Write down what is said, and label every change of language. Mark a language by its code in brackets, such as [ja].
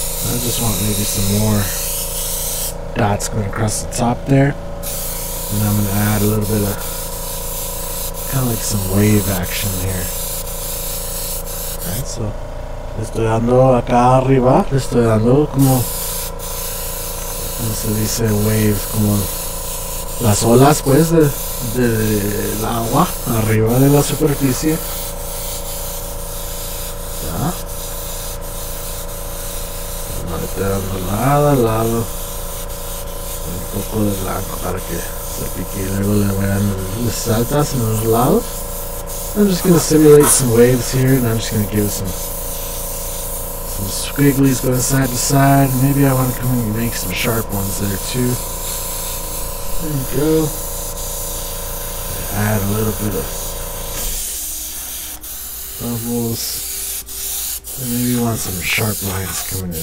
[en] I just want maybe some more dots going across the top there. And I'm gonna add a little bit of kind of like some wave action here. Alright, so [es] le estoy dando acá arriba, le estoy dando como, como se dice, wave, como las olas pues de el agua arriba de la superficie. Dando lado a lado un poco de blanco para que se pique y luego le voy a dar saltas en los lados. [en] I'm just going to simulate some waves here and I'm just going to give some squigglies going side to side. Maybe I want to come in and make some sharp ones there too. There you go. Add a little bit of bubbles and maybe you want some sharp lines coming in.